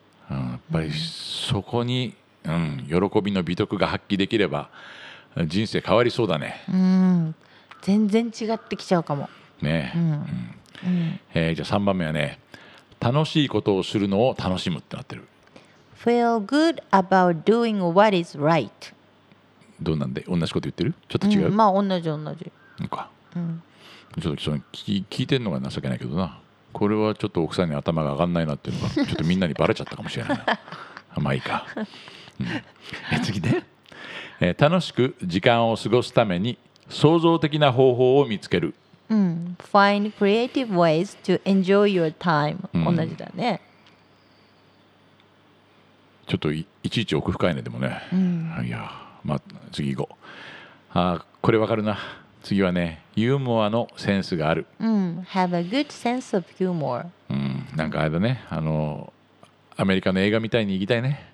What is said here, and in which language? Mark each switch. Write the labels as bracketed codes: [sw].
[ja] うん、やっぱりそこに、うん、喜びの美徳が発揮できれば人生変わりそうだね。うん、全然違ってきちゃうかもね。じゃあ3番目はね、楽しいことをするのを楽しむってなってる。 [en] Feel good about doing what is right。 [ja] どうなんで、同じこと言ってる、ちょっと違う、うん、まあ同じ同じなんか、うん、ちょっと聞いてんのが情けないけどな、これはちょっと奥さんに頭が上がんないなっていうのがちょっとみんなにバレちゃったかもしれないな。まあいいか、うん、次ね、楽しく時間を過ごすために創造的な方法を見つける。 [en] うん、Find creative ways to enjoy your time、うん、 [ja] 同じだね。ちょっと いちいち奥深いね、でもね、うん、いや、まあ、次行こう。あ、これわかるな。次はね、ユーモアのセンスがある。 [en] うん、Have a good sense of humor。 [ja] うん、なんかあれだね、あの、アメリカの映画みたいに行きたいね。